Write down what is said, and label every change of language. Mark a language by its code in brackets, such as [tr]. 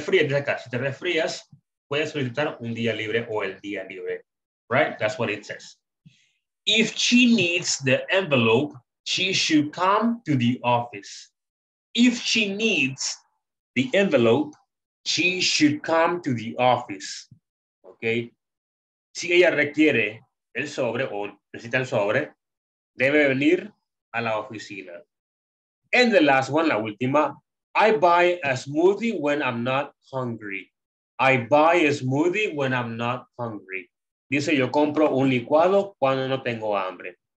[es] Si te resfrías, puedes solicitar un día libre o el día libre. [en] Right? That's what it says. If she needs the envelope, she should come to the office. If she needs the envelope, she should come to the office. Okay. [es] Si ella requiere el sobre o necesita el sobre, debe venir a la oficina. [en] And the last one, [es] la última. [en] I buy a smoothie when I'm not hungry. I buy a smoothie when I'm not hungry. [es] Dice, yo compro un licuado cuando no tengo hambre.